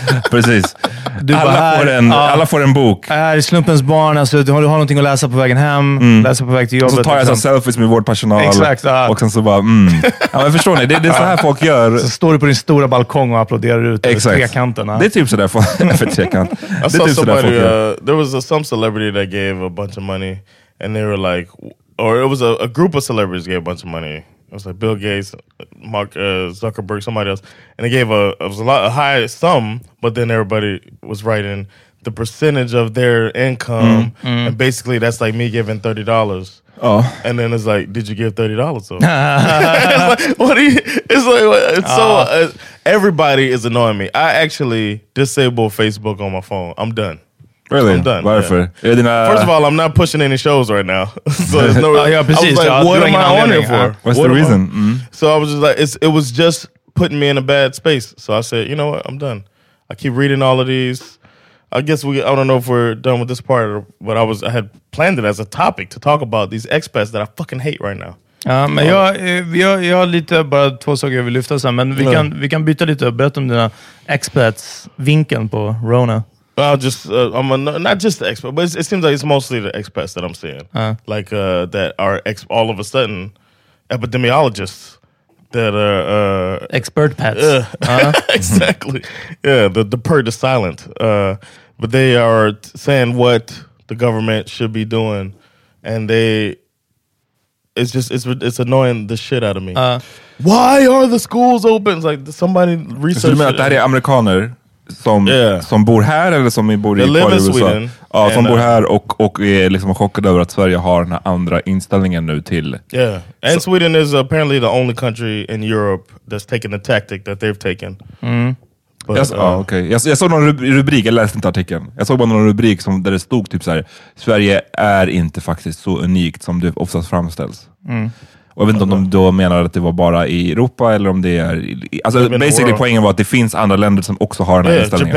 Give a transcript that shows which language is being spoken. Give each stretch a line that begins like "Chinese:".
Swedish: Precis. Alla får en bok. Är slumpens barn, alltså, du har någonting att läsa på vägen hem, läsa på väg till jobbet. Och så tar jag liksom selfies med vår personal. Exakt. Och sen så bara ja, men förstår ni, det är så här folk gör. Så står du på din stora balkong och applåderar ut trekanterna. Det är typ så där för för trekant. Det är typ så där folk gör.
English: There was some celebrity that gave a bunch of money and they were like, or it was a group of celebrities gave a bunch of money. It was like Bill Gates, Mark Zuckerberg, somebody else, and they gave a high sum, but then everybody was writing the percentage of their income, and basically that's like me giving $30. Oh, and then it's like, did you give $30? So it's like, what are you? It's like, it's so everybody is annoying me. I actually disabled Facebook on my phone. I'm done. Really? I'm done.
Swedish: Varför?
English: Yeah. First of all, I'm not pushing any shows right now. So there's no
Swedish: precis.
English: I was like, what am I on here for? What's the reason? So I was just like, it was just putting me in a bad space. So I said, you know what? I'm done. I keep reading all of these. I guess I don't know if we're done with this part, but I had planned it as a topic to talk about these expats that I fucking hate right now.
Swedish: Men jag har lite, bara två saker jag vill lyfta sen, men vi kan byta lite och berätta om dina expats vinkeln på Rona.
English: Well, not just the expats, but it seems like it's mostly the expats that I'm seeing. Like that are all of a sudden epidemiologists that are expert pets. Exactly. Yeah, the purge is silent. But they are saying what the government should be doing, and it's annoying the shit out of me. Why are the schools open? It's like somebody researched.
Swedish: Det här är amerikaner. Som bor här eller som bor i Sverige, som bor här och är liksom chockade över att Sverige har den här andra inställningen nu till.
English: Yeah. And Sweden is apparently the only country in Europe that's taken the tactic that they've taken.
Swedish: Jag såg någon rubrik, jag läste inte artikeln. Jag såg bara någon rubrik som där det stod typ så här: Sverige är inte faktiskt så unikt som det oftast framställs. Och jag vet inte om de då menar att det var bara i Europa eller om det är... Alltså, basically poängen var att det finns andra länder som också har den här inställningen.